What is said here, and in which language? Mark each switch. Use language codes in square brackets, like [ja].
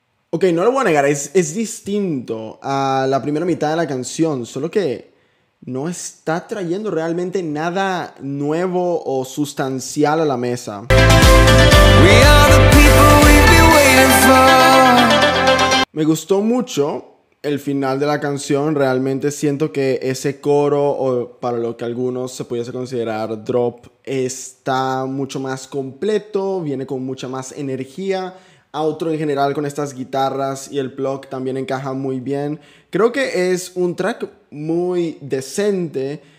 [es] Ok, no lo voy a negar, es distinto a la primera mitad de la canción, solo que no está trayendo realmente nada nuevo o sustancial a la mesa. [en] We are the people we've been waiting for. [es] Me gustó mucho el final de la canción, realmente siento que ese coro, o para lo que algunos se pudiese considerar drop, está mucho más completo, viene con mucha más energía. Outro en general con estas guitarras y el plug también encaja muy bien. Creo que es un track muy decente,